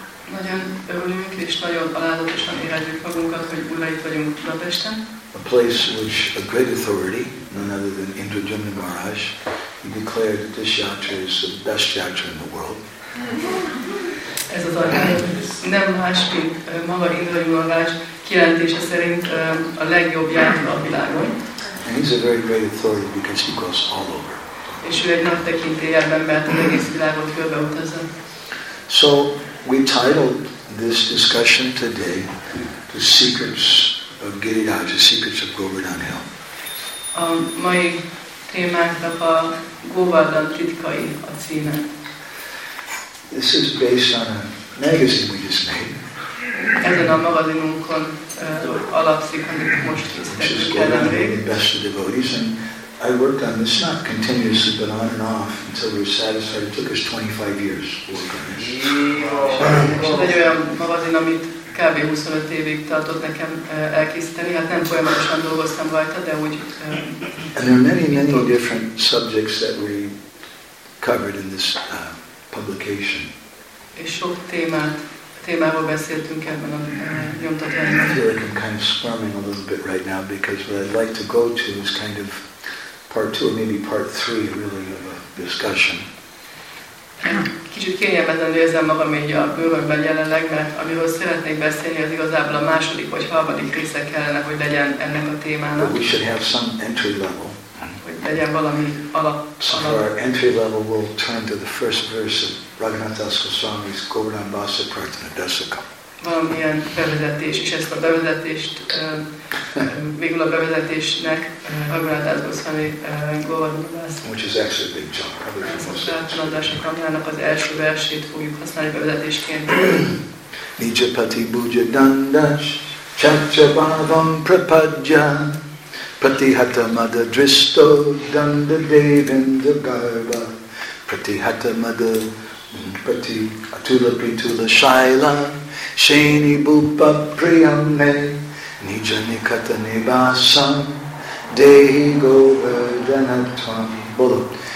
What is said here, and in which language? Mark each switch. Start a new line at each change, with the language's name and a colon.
Hungarian: Nagyon örülünk és nagyon alázatosan érezzük magunkat, hogy újra itt vagyunk Budapesten.
English: A place which a great authority, none other than Indrajumna Maharaj, he declared that this yatra is the best yatra in the world.
Hungarian: Ez az a nem más, mint maga Indrajumna Maharaj kijelentése szerint a legjobb yatra a világon.
English: And he's a very great authority because he goes all over.
Hungarian: És ő egy nagy tekintély ebben, mert az egész világon körbeutazza.
English: So we titled this discussion today, The Secrets of Giriraj, The Secrets of Govardhan Hill.
Hungarian: A mai témánknak a Govardhan titkai a címe.
English: This is based on a magazine we just made.
Hungarian: ezen a magazinunkon alapszik, amit most készítettünk.
English: I worked on this not continuously, but on and off until we were satisfied. It took us 25 years to work on this.
Hungarian: Egy olyan magazin, amit kb. 25 évig tartott nekem elkészíteni, hát nem folyamatosan dolgoztam rajta, de úgy.
English: And there are many, many different subjects that we covered in this publication.
Hungarian: És sok témáról beszéltünk ebben a nyomtatványban.
English: I feel like I'm kind of squirming a little bit right now because what I'd like to go to is kind of part two, maybe part three, really, of a discussion.
Hungarian: Kicsit kényelmetlenül érzem magam így a bőrömben jelenleg, mert amiről szeretnék beszélni, az igazából a második vagy harmadik része kellene, hogy legyen ennek a témának.
English: But we should have some entry level.
Hungarian: Hogy legyen valami alap.
English: So for our entry level, we'll turn to the first verse of Raghunath Das Goswami's Govardhan Basa Pratana Dasaka.
Hungarian: Valamilyen bevezetés, és ezt a bevezetést végül a bevezetésnek Raghunath Das Goswami Govardhan Basa Pratana az első versét fogjuk használni bevezetésként.
Sanskrit: Nijapati Bhuja Dandas Chachabhavam Prapadja Pratihata Madha Dristo Danda Devinda Garba Pratihata Madha Prati Atula Pritula Shaila Shaini Bhupa Priyame Nija Nikata Nibasa Dehi Govardhana Twam Bolo